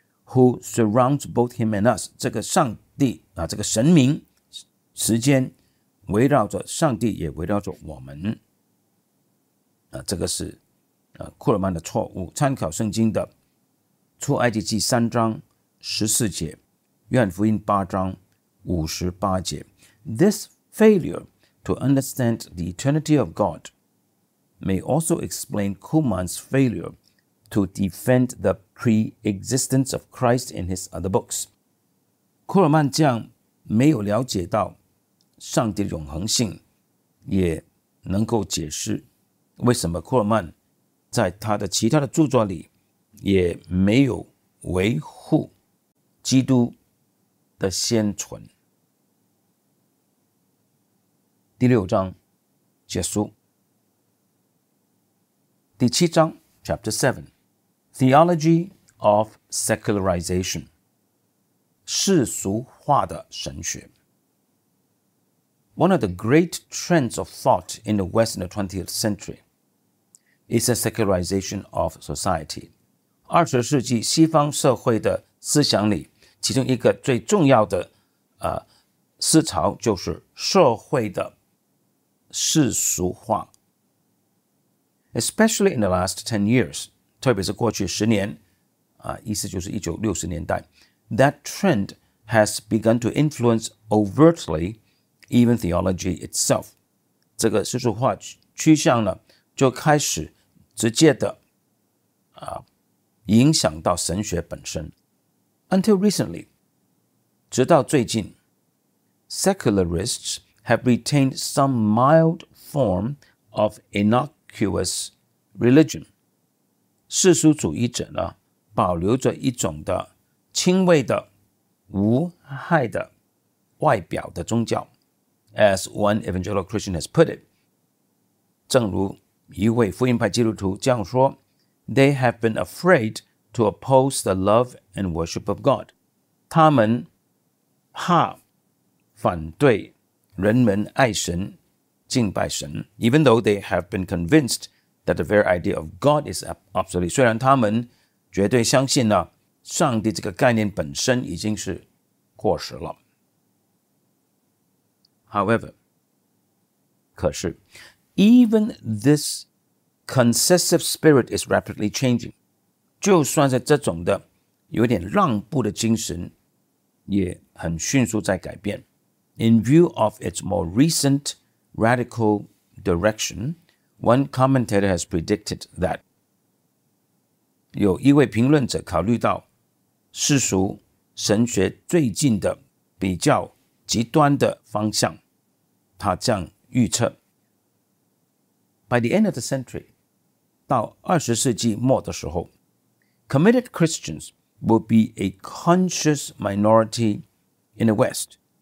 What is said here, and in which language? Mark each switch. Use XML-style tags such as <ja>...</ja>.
<en>Who surrounds both him and us,</en> <zh>这个上帝啊，这个神明时间围绕着上帝也围绕着我们啊，这个是库尔曼的错误。参考圣经的出埃及记三章十四节，约翰福音八章五十八节。</zh> <en>This failure to understand the eternity of God may also explain Kuhlmann's failure to defend the pre-existence of Christ in his other books.</en> <zh>库尔曼这样没有了解到上帝的永恒性，也能够解释为什么库尔曼在他的其他的著作里也没有维护基督的先存。第六章结束。第七章</zh> <en>Chapter 7 Theology of Secularization</en> <zh>世俗化的神学。</zh> <en>One of the great trends of thought in the West in the 20th century is the secularization of society.</en> <zh>二十世纪西方社会的思想里其中一个最重要的思潮就是社会的世俗化。</zh> <en>Especially in the last 10 years,</en> <zh>特别是过去十年，意思就是1960年代，</zh> <en>that trend has begun to influence overtly even theology itself.</en> <zh>这个世俗化趋向呢，就开始直接的影响到神学本身。</zh> <en>Until recently,</en> <zh>直到最近，</zh> <en>secularists have retained some mild form of innocuous religion.</en> <zh>世俗主义者呢保留着一种的轻微的无害的外表的宗教。</zh> <en>As one evangelical Christian has put it,</en> <zh>正如一位福音派基督徒这样说，</zh> <en>They have been afraid to oppose the love and worship of God.</en> <zh>他们怕反对人们爱神敬拜神，</zh> <en>even though they have been convinced that the very idea of God is obsolete.</en> <zh>虽然他们绝对相信呢，上帝这个概念本身已经是过时了。</zh> <en>However,</en> <zh>可是</zh> <en>even this concessive spirit is rapidly changing.</en> <zh>就算是这种的有点让步的精神也很迅速在改变。</zh> <en>In view of its more recent radical direction, one commentator has predicted that</en> <zh>有一位评论者考虑到世俗神学最近的比较极端的方向，他这样预测</zh> <en>By the end of the century,</en> <zh>到二十世纪末的时候，</zh> <en>committed Christians will be a conscious minority in the West.</en>